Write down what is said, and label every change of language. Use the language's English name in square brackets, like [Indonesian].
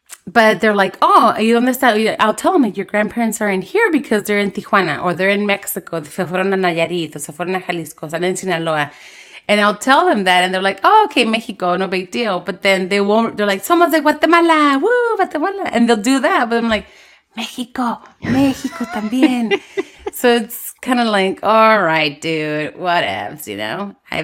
[English] But they're like, oh, you understand? I'll tell them, like, your grandparents are in here because they're in Tijuana or they're in Mexico. [Spanish] Se fueron a Nayarit, se fueron a Jalisco, están en Sinaloa. [English] And I'll tell them that, and they're like, oh, okay, Mexico, no big deal. But then they won't, they're like, [Spanish] somos de Guatemala, [English] woo, Guatemala. And they'll do that, but I'm like, Mexico, Mexico también. So it's kind of like, all right, dude, whatevs, you know?